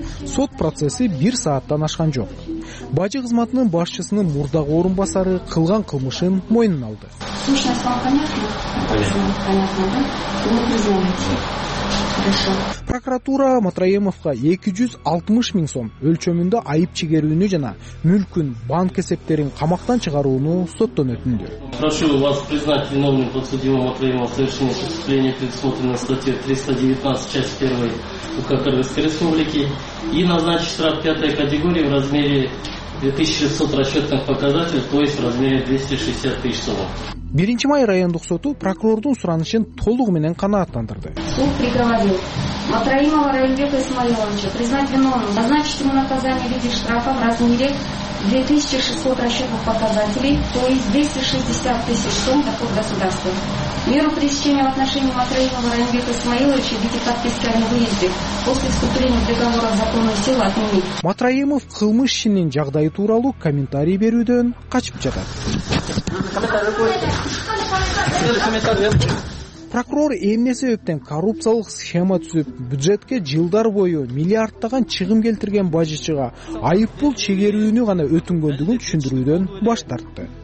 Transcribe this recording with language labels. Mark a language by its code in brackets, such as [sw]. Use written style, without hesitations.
[ky] Сот процесси 1 сааттан ашкан жок. Бажы кызматынын башчысынын мурдагы орун басары кылган кылмышын мойнуна алды. Прокуратура Матраимовго 260 000 сом өлчөмүндө айып чигерүүнү жана мүлкүн, банк эсептерин камактан чыгарууну соттон өтүндү. [ru] Прошу вас признать виновным подсудимого Матраимова в совершении преступления, предусмотренного статьей 319, часть 1 УК Кыргызской Республики и назначить штраф 5 категории в размере 2600 расчетных показателей, то есть в размере 260 000 сом. [ky] 1 май райондук соту прокурордун суранышын толугу менен канааттандырды. [ru] Суд приговорил Матраимова Райымбека Исмаиловича признать виновным, назначить ему наказание в виде штрафа в размере 2600 расчетных показателей, то есть 260 000 сом доход государства. Меру пресечения в отношении Матраимова Райымбека Исмаиловича в виде подписки о невыезде после вступления договора в законную силу отменить. [ky] Матраимов кылмыш ишинин жагдайы тууралуу комментарий берүүдөн качып жатат. Прокурор эмне себептен коррупциялык схема түзүп, бюджетке жылдар бою миллиарддаган чыгым келтирген бажычыга айыппул чегерүүнү гана өтүнгөндүгүн түшүндүрүүдөн баш тартты.